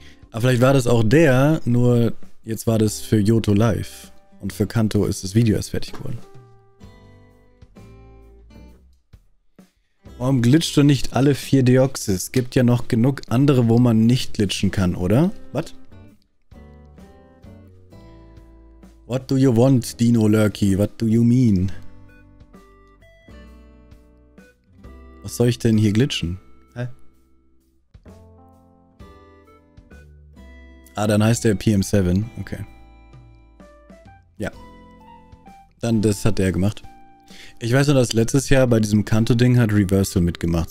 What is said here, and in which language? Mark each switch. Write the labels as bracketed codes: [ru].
[de] Aber vielleicht war das auch der, nur jetzt war das für Johto live. Und für Kanto ist das Video erst fertig geworden. Warum glitscht du nicht alle vier Deoxys? Gibt ja noch genug andere, wo man nicht glitschen kann, oder? Was? [en] What do you want, Dino Lurky? What do you mean? [de] Was soll ich denn hier glitschen? Hä? Ah, dann heißt der PM7. Okay. Ja. Dann, das hat der gemacht. Ich weiß nur, dass letztes Jahr bei diesem Kanto-Ding hat Reversal mitgemacht.